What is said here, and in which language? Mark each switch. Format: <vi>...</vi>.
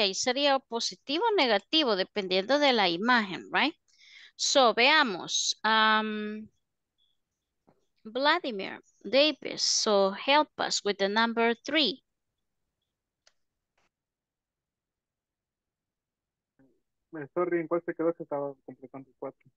<es>Ahí sería positivo o negativo, dependiendo de la imagen, right? So, veamos.</es> <en>Vladimir, Davis, so help us with the number three.</en> <es>Sorry, en cuál se quedó, se estaba completando el cuatro.</es>